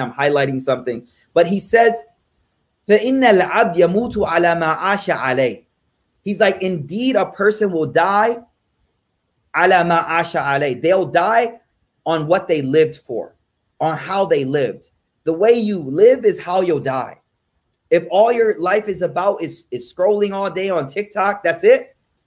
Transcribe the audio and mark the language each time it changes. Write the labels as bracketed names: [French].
[English] I'm highlighting something. But he says, [Arabic] فَإِنَّ الْعَبْدْ يَمُوتُ عَلَى مَا عَاشَ عَلَيْهِ. [English] He's like, indeed a person will die [Arabic] عَلَى مَا عَاشَ عَلَيْهِ. [English] They'll die on what they lived for, on how they lived. The way you live is how you'll die. If all your life is about is scrolling all day on TikTok, that's it.